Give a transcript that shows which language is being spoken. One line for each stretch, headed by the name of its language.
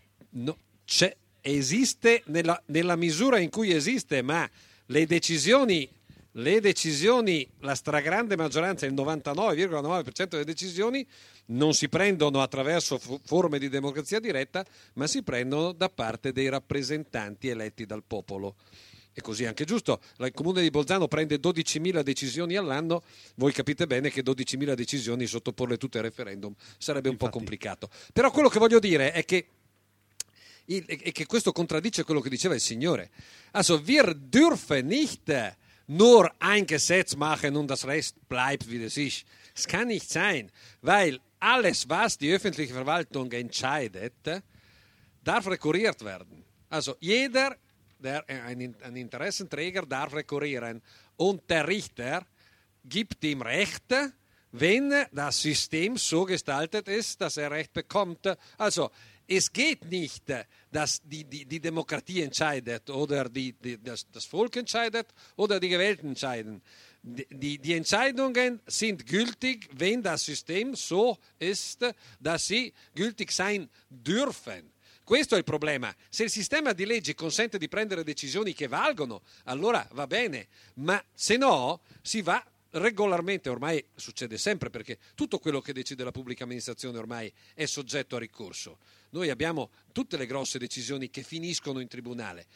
Italian: No, esiste nella misura in cui esiste, ma le decisioni, la stragrande maggioranza, il 99,9% delle decisioni, non si prendono attraverso forme di democrazia diretta, ma si prendono da parte dei rappresentanti eletti dal popolo. E così anche giusto, il comune di Bolzano prende 12.000 decisioni all'anno, voi capite bene che 12.000 decisioni sottoporle tutte al referendum sarebbe un po' complicato. Però quello che voglio dire è che questo contraddice quello che diceva il Signore.
German: Also wir dürfen nicht nur ein Gesetz machen und das Rest bleibt wie es ist. Es kann nicht sein, weil alles was die öffentliche Verwaltung entscheidet, darf rekurriert werden. Also jeder, der ein Interessenträger, darf rekurrieren. Und der Richter gibt ihm Recht, wenn das System so gestaltet ist, dass er Recht bekommt. Also es geht nicht, dass die Demokratie entscheidet oder das Volk entscheidet oder die Gewählten entscheiden. Die Entscheidungen sind gültig, wenn das System so ist, dass sie gültig sein dürfen.
Italian: Questo è il problema. Se il sistema di leggi consente di prendere decisioni che valgono, allora va bene. Ma se no, si va regolarmente, ormai succede sempre, perché tutto quello che decide la pubblica amministrazione ormai è soggetto a ricorso. Noi abbiamo tutte le grosse decisioni che finiscono in tribunale.